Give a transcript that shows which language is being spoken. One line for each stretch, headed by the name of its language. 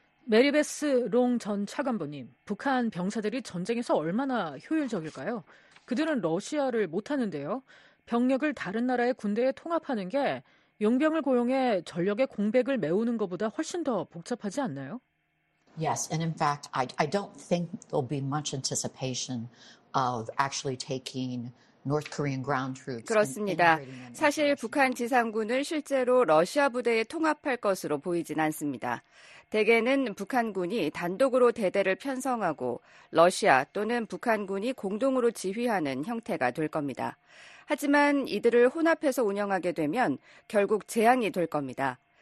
Korean: 메리베스 롱 전 차관보님, 북한 병사들이 전쟁에서 얼마나 효율적일까요? 그들은 러시아를 못하는데요. 병력을 다른 나라의 군대에 통합하는 게 용병을 고용해 전력의 공백을 메우는 것보다 훨씬 더 복잡하지 않나요?
English: Yes, and in fact, I don't think there'll be much anticipation of actually taking North Korean ground troops.
Korean: 그렇습니다. 사실 북한 지상군을 실제로 러시아 부대에 통합할 것으로 보이진 않습니다. 대개는 북한군이 단독으로 대대를 편성하고 러시아 또는 북한군이 공동으로 지휘하는 형태가 될 겁니다. 하지만 이들을 혼합해서 운영하게 되면 결국 재앙이 될 겁니다.